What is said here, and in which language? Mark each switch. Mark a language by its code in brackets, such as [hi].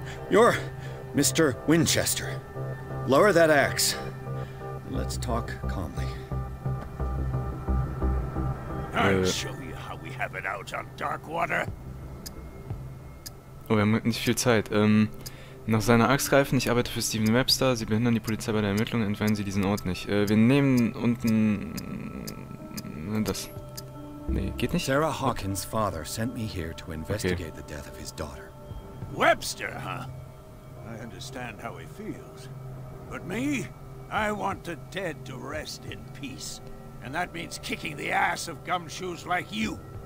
[en] You're Mr. Winchester. Lower that axe. Let's talk calmly. I'll show you. Have it out on Darkwater. [de] Oh, wir haben nicht viel Zeit. Nach seiner Axt greifen, ich arbeite für Steven Webster. Sie behindern die Polizei bei der Ermittlung, entweihen sie diesen Ort nicht. Wir nehmen unten. Das. Nee, geht nicht. [en] Sarah Hawkins' [de] Vater [en] sent me here to investigate the death of his daughter. Webster, huh? I understand how he feels. But me? I want the dead to rest in peace. And that means kicking the ass of gumshoes like you.